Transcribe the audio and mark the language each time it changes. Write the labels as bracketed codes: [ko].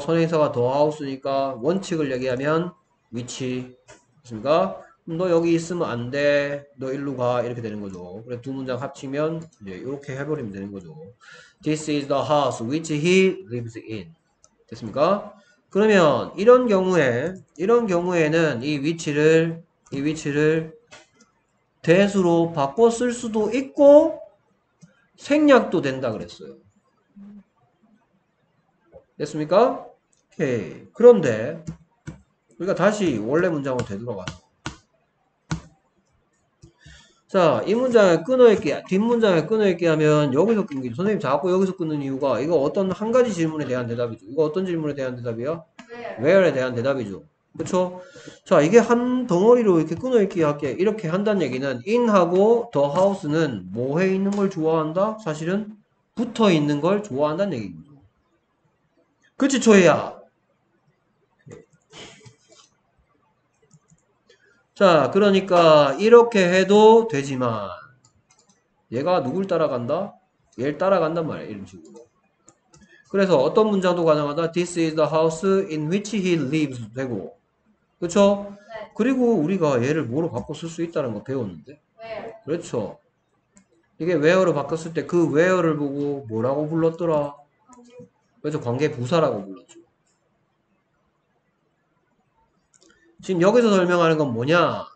[ko] 선행사가 더 하우스니까 원칙을 얘기하면 위치 있습니까? 너 여기 있으면 안 돼. 너 일로 가. 이렇게 되는 거죠. 그래 두 문장 합치면 이제 이렇게 해버리면 되는 거죠. [en] This is the house which he lives in. [ko] 됐습니까? 그러면 이런 경우에는 이 위치를 대수로 바꿔 쓸 수도 있고 생략도 된다 그랬어요. 됐습니까? 오케이. 그런데 우리가 다시 원래 문장으로 되돌아가서. 자, 이 문장을 끊어있게 뒷문장을 끊어있게 하면 여기서 끊기죠. 선생님, 자꾸 여기서 끊는 이유가 이거 어떤 한 가지 질문에 대한 대답이죠. 이거 어떤 질문에 대한 대답이야? Where에 대한 대답이죠. 그렇죠? 자, 이게 한 덩어리로 이렇게 끊어있게 할게. 이렇게 한다는 얘기는 in하고 the house는 뭐해 있는 걸 좋아한다? 사실은 붙어 있는 걸 좋아한다는 얘기입니다. 그치, 초희야? 자, 그러니까 이렇게 해도 되지만 얘가 누굴 따라간다? 얘를 따라간단 말이야, 이런 식으로. 그래서 어떤 문장도 가능하다. [en] This is the house in which he lives [ko] 되고. 그렇죠? 그리고 우리가 얘를 뭐로 바꿔 쓸수 있다는 거 배웠는데. 그렇죠? 이게 where로 바꿨을 때그 where를 보고 뭐라고 불렀더라? 그래서 관계 부사라고 불렀죠. 지금 여기서 설명하는 건 뭐냐?